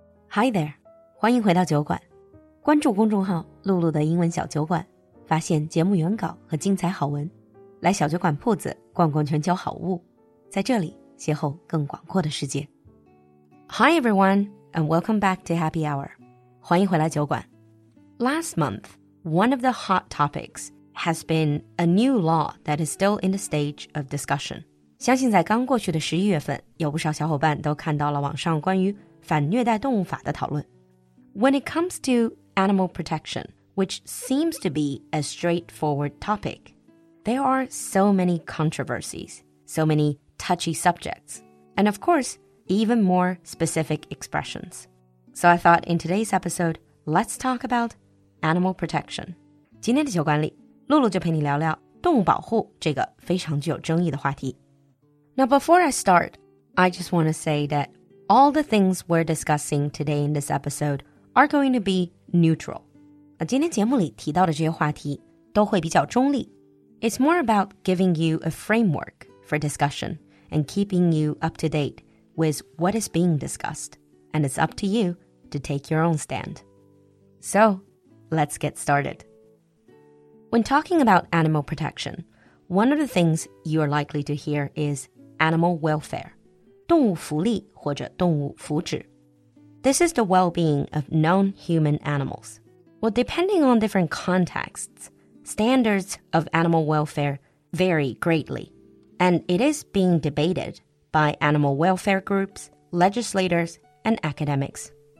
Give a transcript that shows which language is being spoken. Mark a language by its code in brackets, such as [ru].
[en] Hi there, [zh] 欢迎回到酒馆。关注公众号露露的英文小酒馆，发现节目原稿和精彩好文，来小酒馆铺子逛逛全球好物，在这里邂逅更广阔的世界。 [en] Hi everyone, and welcome back to Happy Hour. [zh] 欢迎回来酒馆。 [en] Last month, one of the hot topics has been a new law that is still in the stage of discussion. [zh] 相信在刚过去的11月份，有不少小伙伴都看到了网上关于反虐待动物法的讨论。 [en] When it comes to animal protection, which seems to be a straightforward topic, there are so many controversies, so many touchy subjects, and of course, even more specific expressions. So I thought in today's episode, let's talk about animal protection. [zh] 今天的酒馆里，露露就陪你聊聊动物保护这个非常具有争议的话题。 [en] Now before I start, I just want to say thatAll the things we're discussing today in this episode are going to be neutral. [zh] 今天节目里提到的这些话题都会比较中立。 [en] It's more about giving you a framework for discussion and keeping you up to date with what is being discussed. And it's up to you to take your own stand. So, let's get started. When talking about animal protection, one of the things you are likely to hear is animal welfare. [zh] 动物福利或者动物福祉。 [en] This is the well-being of non-human animals. Well, depending on different contexts, standards of animal welfare vary greatly. And it is being debated by animal welfare groups, legislators, and academics.